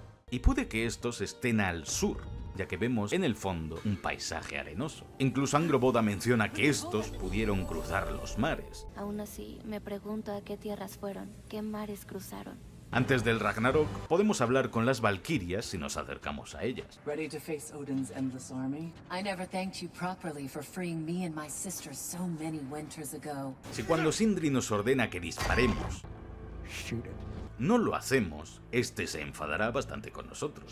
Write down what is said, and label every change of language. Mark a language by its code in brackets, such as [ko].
[es] Y puede que estos estén al sur, ya que vemos en el fondo un paisaje arenoso. Incluso Angroboda menciona que estos pudieron cruzar los mares. Aún así, me pregunto a qué tierras fueron, qué mares cruzaron. Antes del Ragnarok, podemos hablar con las Valquirias si nos acercamos a ellas. [en] Ready to face Odin's endless army? I never thanked you properly for freeing me and my sister so many winters ago. [es] Si cuando Sindri nos ordena que disparemos, [en] shoot it, [es] no lo hacemos, este se enfadará bastante con nosotros.